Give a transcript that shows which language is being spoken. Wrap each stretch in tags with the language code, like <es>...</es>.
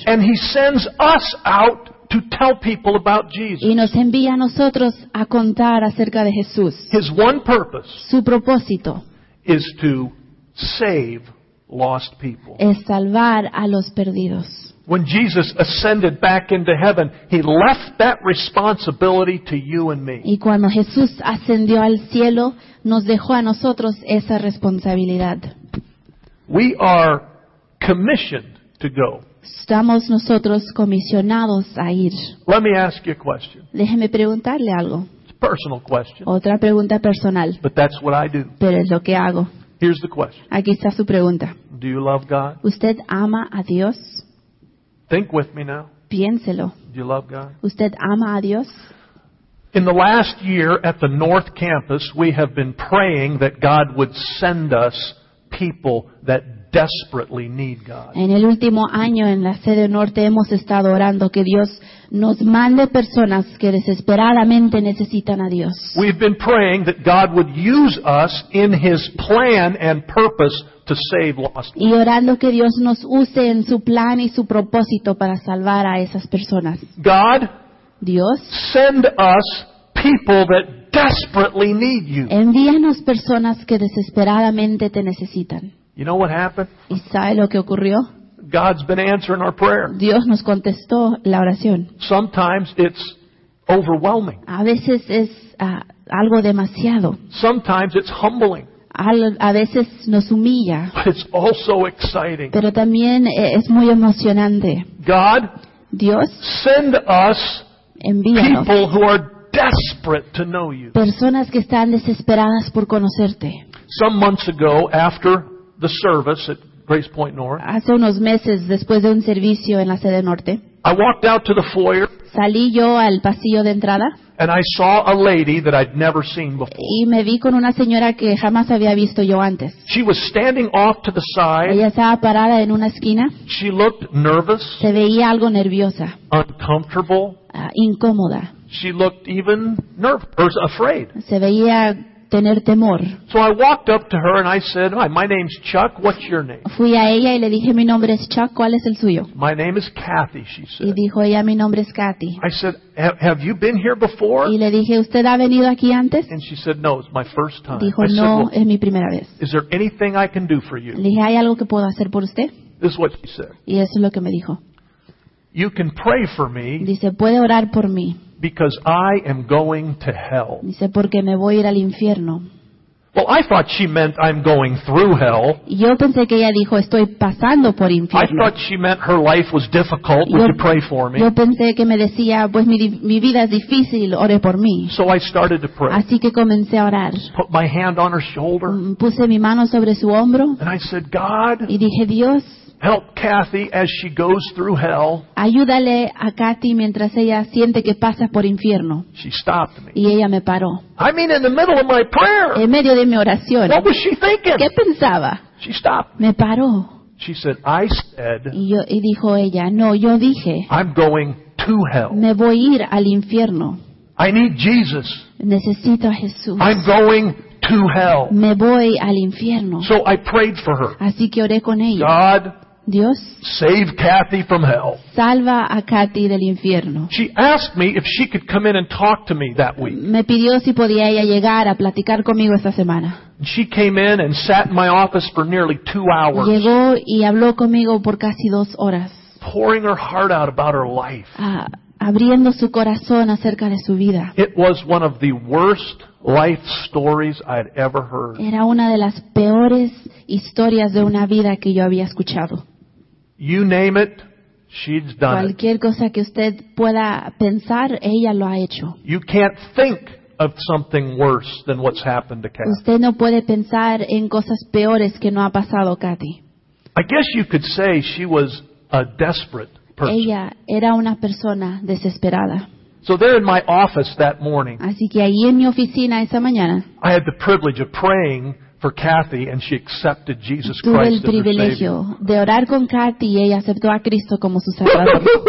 <en>And He sends us out to tell people about Jesus.</en> <es>Y nos envía a nosotros a contar acerca de Jesús.</es> <en>His one purpose,</en> <es>su propósito,</es> <en>is to save lost people.</en> <es>Es salvar a los perdidos.</es> <en>When Jesus ascended back into heaven, He left that responsibility to you and me.</en> <es>Y cuando Jesús ascendió al cielo, nos dejó a nosotros esa responsabilidad.</es> <en>We are commissioned to go.</en> <es>Estamos nosotros comisionados a ir.</es> <en>Let me ask you a question.</en> <es>Déjeme preguntarle algo.</es> <en>It's a personal question.</en> <es>Otra pregunta personal.</es> <en>But that's what I do.</en> <es>Pero es lo que hago.</es> <en>Here's the question.</en> <es>Aquí está su pregunta.</es> <en>Do you love God?</en> <es>¿Usted ama a Dios?</es> <en>Think with me now.</en> <es>Piénselo.</es> <en>Do you love God?</en> <es>¿Usted ama a Dios?</es> <en>In the last year at the North Campus, we have been praying that God would send us people that desperately need God.</en> <es>En el último año en la sede norte hemos estado orando que Dios nos mande personas que desesperadamente necesitan a Dios.</es> <en>We've been praying that God would use us in His plan and purpose to save lost</en> <es>people. Y orando que Dios nos use en su plan y su propósito para salvar a esas personas.</es> <en>God,</en> <es>Dios,</es> <en>send us people that desperately need you.</en> <es>Envíanos personas que desesperadamente te necesitan.</es> <en>You know what happened?</en> <es>¿Y sabe lo que ocurrió?</es> <en>God's been answering our prayer.</en> <es>Dios nos contestó la oración.</es> <en>Sometimes it's overwhelming.</en> <es>A veces es algo demasiado.</es> <en>Sometimes it's humbling.</en> <es>A veces nos humilla.</es> <en>But it's also exciting.</en> <es>Pero también es muy emocionante.</es> <en>God,</en> <es>Dios,</es> <en>send us</en> <es>envíanos</es> <en>people who are desperate to know you.</en> <es>Personas que están desesperadas por conocerte.</es> <en>Some months ago, after the service at Grace Point North.</en> <es>Hace unos meses después de un servicio en la sede norte.</es> <en>I walked out to the foyer.</en> <es>Salí yo al pasillo de entrada.</es> <en>And I saw a lady that I'd never seen before.</en> <es>Y me vi con una señora que jamás había visto yo antes.</es> <en>She was standing off to the side.</en> <es>Ella estaba parada en una esquina.</es> <en>She looked nervous.</en> <es>Se veía algo nerviosa.</es> <en>Uncomfortable.</en> <es>Incómoda.</es> <en>She looked even nervous, afraid.</en> <es>Se veía tener temor.</es> <en>So I walked up to her and I said, "Hi, my name's Chuck. What's your name?"</en> <es>Fui a ella y le dije, "Mi nombre es Chuck. ¿Cuál es el suyo?"</es> <en>"My name is Kathy," she said.</en> <es>Y dijo ella, "Mi nombre es Kathy."</es> <en>I said, "Have you been here before?"</en> <es>Y le dije, "¿Usted ha venido aquí antes?"</es> <en>And she said, "No, it's my first time."</en> <es>Dijo, "No, es mi primera vez."</es> <en>"Is there anything I can do for you?"</en> <es>Le dije, "¿Hay algo que puedo hacer por usted?"</es> <en>This is what she said.</en> <es>Y eso es lo que me dijo.</es> <en>"You can pray for me."</en> <es>Dice, "Puede orar por mí."</es> <en>"Because I am going to hell."</en> <es>Dice, "Porque me voy a ir al infierno."</es> <en>Well, I thought she meant I'm going through hell.</en> <es>Yo pensé que ella dijo, "Estoy pasando por infierno."</es> <en>I thought she meant her life was difficult. Would you pray for me?</en> <es>Yo pensé que me decía, pues mi vida es difícil, ore por mí.</es> <en>So I started to pray.</en> <es>Así que comencé a orar.</es> <en>Put my hand on her shoulder.</en> <es>Puse mi mano sobre su hombro.</es> <en>And I said, "God."</en> <es>Y dije, "Dios."</es> <en>"Help Kathy as she goes through hell."</en> <es>Ayúdale a Kathy mientras ella siente que pasa por infierno.</es> <en>She stopped me.</en> <es>Y ella me paró.</es> <en>I mean, in the middle of my prayer.</en> <es>En medio de mi oración.</es> <en>What was she thinking?</en> <es>¿Qué pensaba?</es> <en>She stopped</en> <es>me. Me paró.</es> <en>She said, "I said."</en> <es>Y dijo ella, "No, yo dije."</es> <en>"I'm going to hell."</en> <es>Me voy a ir al infierno.</es> <en>"I need Jesus."</en> <es>Necesito a Jesús.</es> <en>"I'm going to hell."</en> <es>Me voy al infierno.</es> <en>So I prayed for her.</en> <es>Así que oré con ella.</es> <en>"God,</en> <es>Dios,</es> <en>save Kathy from hell."</en> <es>Salva a Kathy del infierno.</es> <en>She asked me if she could come in and talk to me that week.</en> <es>Me pidió si podía ella llegar a platicar conmigo esta semana.</es> <en>She came in and sat in my office for nearly 2 hours.</en> <es>Llegó y habló conmigo por casi 2 horas.</es> <en>Pouring her heart out about her life.</en> <es>Abriendo su corazón acerca de su vida.</es> <en>It was one of the worst life stories I'd ever heard.</en> <es>Era una de las peores historias de una vida que yo había escuchado.</es> <en>You name it, she's done it.</en> <es>Cualquier cosa que usted pueda pensar, ella lo ha hecho.</es> <en>You can't think of something worse than what's happened to Kathy.</en> <es>Usted no puede pensar en cosas peores que no ha pasado Kathy.</es> <en>I guess you could say she was a desperate person.</en> <es>Ella era una persona desesperada.</es> <en>So there in my office that morning,</en> <es>así que ahí en mi oficina esa mañana,</es> <en>I had the privilege of praying for Kathy and she accepted Jesus Christ as her</en> <es>Tuve el privilegio de orar con Kathy y ella aceptó a Cristo como su Salvador.</es>